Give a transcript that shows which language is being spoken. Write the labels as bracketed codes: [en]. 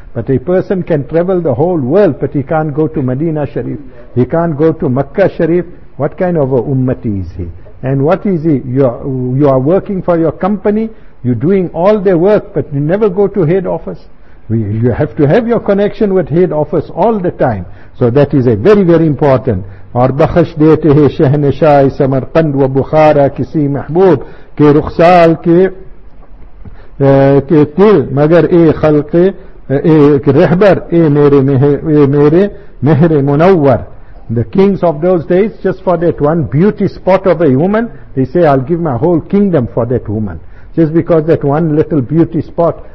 [en] But a person can travel the whole world, but he can't go to Medina Sharif, he can't go to Makkah Sharif. What kind of a ummati is he? And what is he? You are working for your company, you're doing all their work, but you never go to head office. You have to have your connection with head office all the time. So that is a very, very important. [ur] اور بخش دیتے ہیں شہنشاہ سمرقند و بخارا کسی محبوب کے رخسال کے تل مگر اے خلق اے رہبر اے میرے مہر منور. [en] The kings of those days, just for that one beauty spot of a woman, they say I'll give my whole kingdom for that woman, just because that one little beauty spot.